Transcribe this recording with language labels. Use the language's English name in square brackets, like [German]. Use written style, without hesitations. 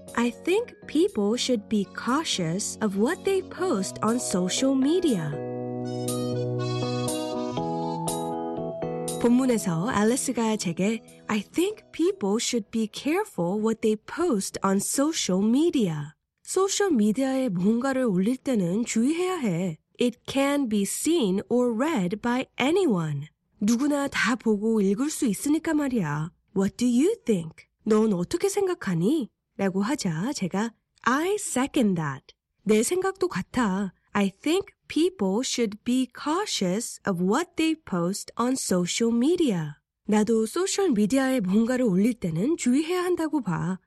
[English] I think people should be cautious of what they post on social media. [Korean] 본문에서 앨리스가 제게 [English] I think people should be careful what they post on social media. [Korean] 소셜 미디어에 뭔가를 올릴 때는 주의해야 해. [English] It can be seen or read by anyone. [Korean] 누구나 다 보고 읽을 수 있으니까 말이야. [English] What do you think? [Korean] 넌 어떻게 생각하니? 라고 하자 제가 [English] I second that. [Korean] 내 생각도 같아. [English] I think people should be cautious of what they post on social media. [Korean] 나도 소셜 미디어에 뭔가를 올릴 때는 주의해야 한다고 봐.